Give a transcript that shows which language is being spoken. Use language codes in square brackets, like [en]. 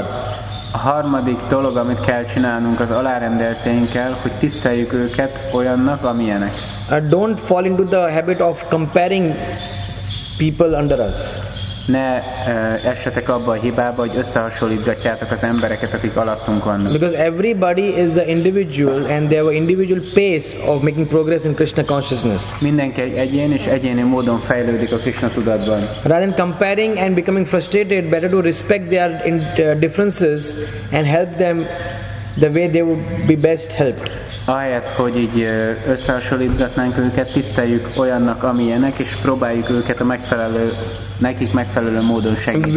[hu] A harmadik dolog, amit kell csinálnunk az alárendelteinkkel, hogy tiszteljük őket olyannak, amilyenek. [en] Don't fall into the habit of comparing people under us. [hu] Ne essetek abba a hibába, hogy összehasonlítgatjátok az embereket, akik alattunk vannak. [en] Because everybody is an individual and they have an individual pace of making progress in Krishna consciousness. [hu] Mindenki egyén és egyéni módon fejlődik a Krishna tudatban. [en] Rather than comparing and becoming frustrated, better to respect their differences and help them the way they would be best helped. [hu] Ahelyett, hogy így összehasonlítgatnánk őket, tiszteljük olyannak, amilyenek, és próbáljuk őket a megfelelő, nekik megfelelő módon segíteni.